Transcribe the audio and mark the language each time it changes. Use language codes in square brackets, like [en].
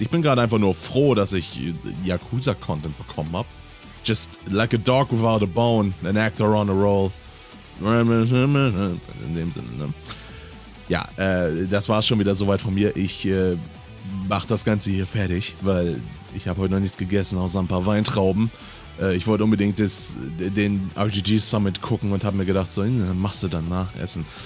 [de] Ich bin gerade einfach nur froh, dass ich Yakuza-Content bekommen habe. [en] Just like a dog without a bone, an actor on a roll. [de] In dem Sinne, ne? Ja, das war's schon wieder soweit von mir. Ich mach das Ganze hier fertig, weil ich habe heute noch nichts gegessen, außer ein paar Weintrauben. Ich wollte unbedingt den RGG Summit gucken und habe mir gedacht, so, machst du dann nachessen.